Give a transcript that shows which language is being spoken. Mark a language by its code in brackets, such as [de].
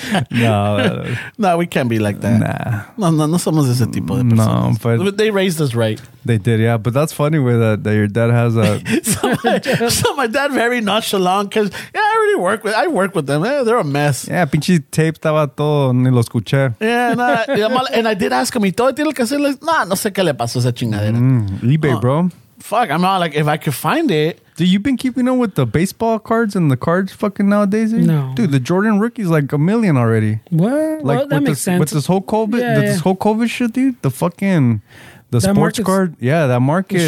[en] No, we can't be like that. Nah. [es] No somos ese tipo de personas. [en] No, but they raised us right. They did, yeah. But that's funny with that your dad has a... so my dad very nonchalant because, yeah, I work with them. They're a mess. Yeah, [es] pinche tape estaba todo, ni lo escuché. And I did ask him, ¿y todo tiene que hacerle? Nah, no sé qué le pasó a esa chingadera. [en] eBay, bro. Fuck, I'm not like, if I could find it. Do you been keeping up with the baseball cards and the cards fucking nowadays? No. Dude, the Jordan rookie's like a million already. What? Like, well, that makes sense. With this whole COVID, this whole COVID shit, dude, the fucking... The that sports card, yeah, that market.